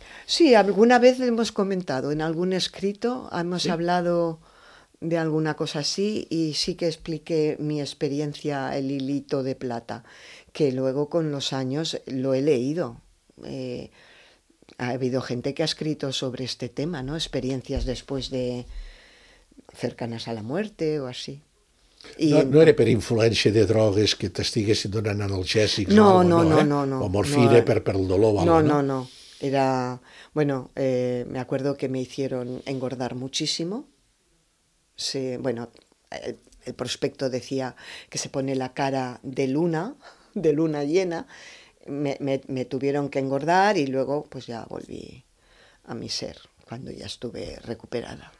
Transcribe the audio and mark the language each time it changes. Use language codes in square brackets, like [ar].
[es] Sí, alguna vez lo hemos comentado. En algún escrito hemos hablado de alguna cosa así y sí que expliqué mi experiencia, el hilito de plata, que luego con los años lo he leído. Ha habido gente que ha escrito sobre este tema, ¿no? Experiencias después de cercanas a la muerte o así. [ca] No era per influència de drogues que t'estiguessin donant analgèsics no, o morfina per el dolor o algo, no. [es] Era, bueno, me acuerdo que me hicieron engordar muchísimo. Sí, bueno, el prospecto decía que se pone la cara de luna llena. Me tuvieron que engordar y luego pues ya volví a mi ser cuando ya estuve recuperada.